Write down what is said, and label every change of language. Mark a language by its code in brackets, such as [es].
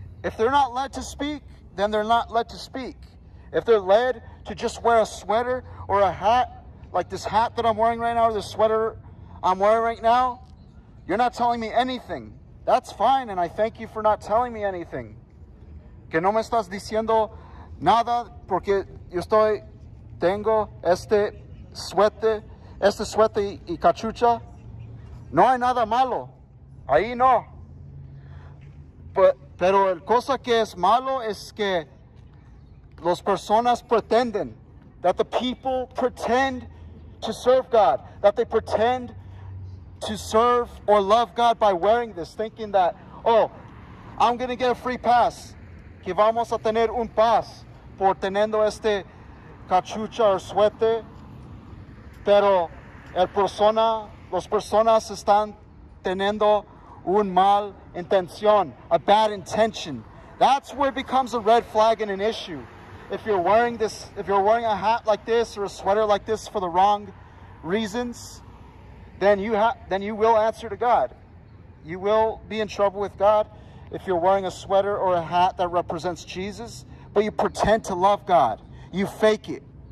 [en] If they're not led to speak, then they're not led to speak. If they're led to just wear a sweater or a hat, like this hat that I'm wearing right now or this sweater I'm wearing right now, you're not telling me anything. That's fine, and I thank you for not telling me anything. [es] Que no me estás diciendo nada porque yo estoy, tengo este suéter y cachucha. No hay nada malo. Ahí no. Pero el cosa que es malo es que las personas pretenden. [en] That the people pretend to serve God. That they pretend to serve or love God by wearing this, thinking that, oh, I'm going to get a free pass. [es] Que vamos a tener un pass por teniendo este cachucha o suéter. Pero las personas están teniendo un mal intención, [en] a bad intention. That's where it becomes a red flag and an issue. If you're wearing a hat like this or a sweater like this for the wrong reasons, then you will answer to God. You will be in trouble with God if you're wearing a sweater or a hat that represents Jesus, but you pretend to love God. You fake it.